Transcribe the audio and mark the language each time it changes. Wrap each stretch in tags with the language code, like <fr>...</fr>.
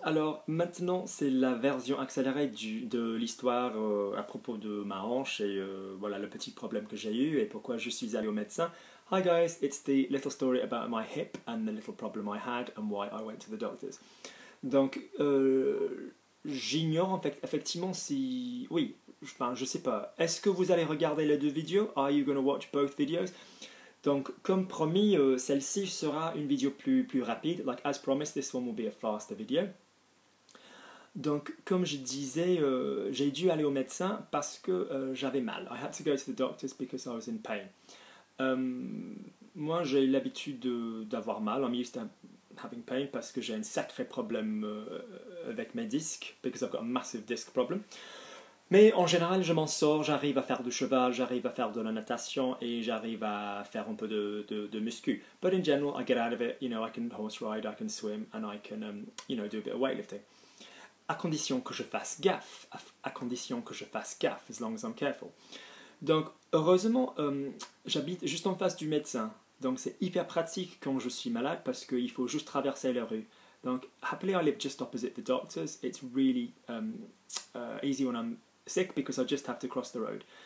<fr>Alors maintenant, c'est la version accélérée de l'histoire à propos de ma hanche et voilà le petit problème que j'ai eu et pourquoi je suis allé au médecin.</fr> <en>Hi guys, it's the little story about my hip and the little problem I had and why I went to the doctors.</en> <fr>Donc, j'ignore en fait effectivement si oui, enfin je sais pas. Est-ce que vous allez regarder les deux vidéos?</fr> <en>Are you gonna watch both videos?</en> <fr>Donc, comme promis, celle-ci sera une vidéo plus rapide.</fr> <en>Like, as promised, this one will be a faster video.</en> <fr>Donc, comme je disais, j'ai dû aller au médecin parce que j'avais mal.</fr> <en>I had to go to the doctors because I was in pain.</en> <fr>Moi, j'ai l'habitude d'avoir mal.</fr> <en>I'm used to having pain</en> <fr>parce que j'ai un sacré problème avec mes disques.</fr> <en>Because I've got a massive disc problem.</en> <fr>Mais en général, je m'en sors, j'arrive à faire du cheval, j'arrive à faire de la natation et j'arrive à faire un peu de muscu.</fr> <en>But in general, I get out of it, you know, I can horse ride, I can swim and I can, you know, do a bit of weightlifting.</en> <fr>À condition que je fasse gaffe, à condition que je fasse gaffe,</fr> <en>as long as I'm careful.</en> <fr>Donc, heureusement, j'habite juste en face du médecin. Donc, c'est hyper pratique quand je suis malade parce qu'il faut juste traverser la rue.</fr> <en>Donc, happily, I live just opposite the doctors. It's really easy when I'm sick because I just have to cross the road.</en>